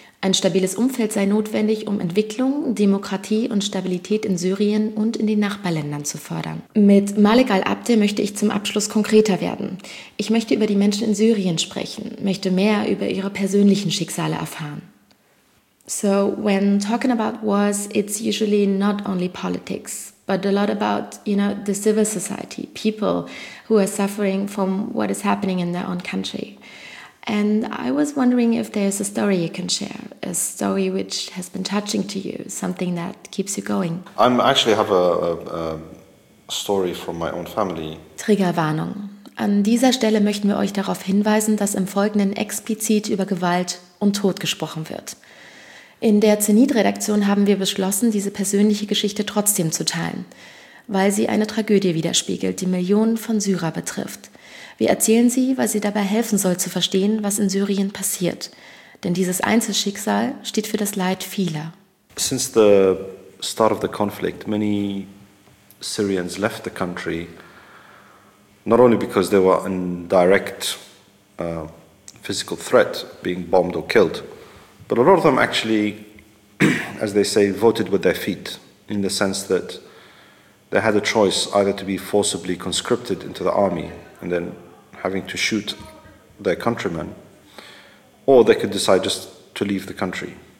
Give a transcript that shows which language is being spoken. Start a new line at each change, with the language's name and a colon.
German: Ein stabiles Umfeld sei notwendig, um Entwicklung, Demokratie und Stabilität in Syrien und in den Nachbarländern zu fördern. Mit Malik al-Abdi möchte ich zum Abschluss konkreter werden. Ich möchte über die Menschen in Syrien sprechen, möchte mehr über ihre persönlichen Schicksale erfahren.
English: So, when talking about wars, it's usually not only politics, but a lot about, you know, the civil society, people who are suffering from what is happening in their own country. And I was wondering if there's a story you can share, a story which has been touching to you, something that keeps you going. I actually have a story from my own family.
German: Triggerwarnung. An dieser Stelle möchten wir euch darauf hinweisen, dass im Folgenden explizit über Gewalt und Tod gesprochen wird. In der Zenit-Redaktion haben wir beschlossen, diese persönliche Geschichte trotzdem zu teilen, weil sie eine Tragödie widerspiegelt, die Millionen von Syrer betrifft. Wir erzählen sie, weil sie dabei helfen soll, zu verstehen, was in Syrien passiert. Denn dieses Einzelschicksal steht für das Leid vieler.
English: Since the start of the conflict, many Syrians left the country, not only because they were in direct physical threat, being bombed or killed, but a lot of them actually, as they say, voted with their feet, in the sense that they had a choice either to be forcibly conscripted into the army and then having to shoot their countrymen, or they could decide just to leave the country.